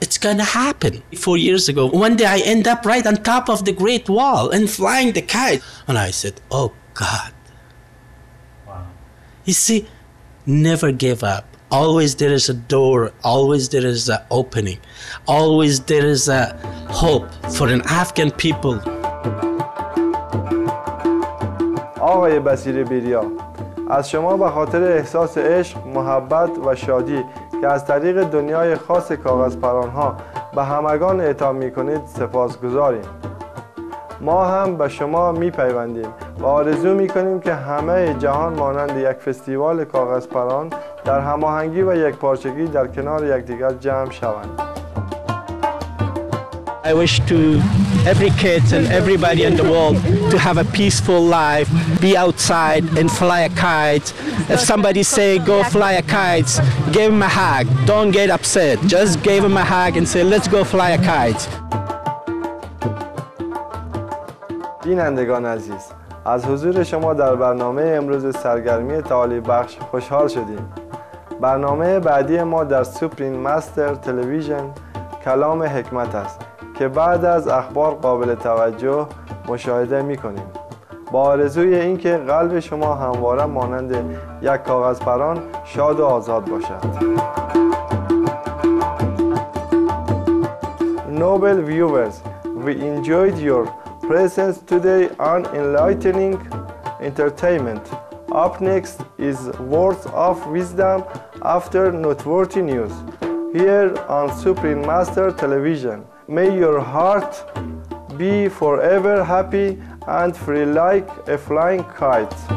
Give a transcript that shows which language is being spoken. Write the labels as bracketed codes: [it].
[en] It's gonna happen. 4 years ago, one day I end up right on top of the Great Wall and flying the kite. And I said, oh God. Wow. You see, never give up. Always there is a door, always there is an opening, always there is a hope for an Afghan people. [fa] آقای بسیر بیریا، از شما به خاطر احساس عشق، محبت و شادی که از طریق دنیای خاص کاغذپران ها به همگان اعطا می کنید سپاس گذاریم. ما هم به شما می پیوندیم و آرزو می کنیم که همه جهان مانند یک فستیوال کاغذپران در هماهنگی و یک پارچگی در کنار یکدیگر جمع شوند. [en] I wish to every kid and everybody in the world to have a peaceful life, be outside and fly a kite. If somebody say go fly a kite, give him a hug. Don't get upset. Just give him a hug and say let's go fly a kite. [fa] بینندگان عزیز، از حضور شما در برنامه امروز سرگرمی تعالی بخش خوشحال شدیم. برنامه بعدی ما در سوپرین مستر تلویزیون کلام حکمت است که بعد از اخبار قابل توجه مشاهده می کنیم. با آرزوی اینکه قلب شما همواره مانند یک کاغذپران شاد و آزاد باشد. [en] Noble viewers, we enjoyed your presence today on enlightening entertainment. Up next is words of wisdom after noteworthy news here on Supreme Master Television. May your heart be forever happy and free like a flying kite.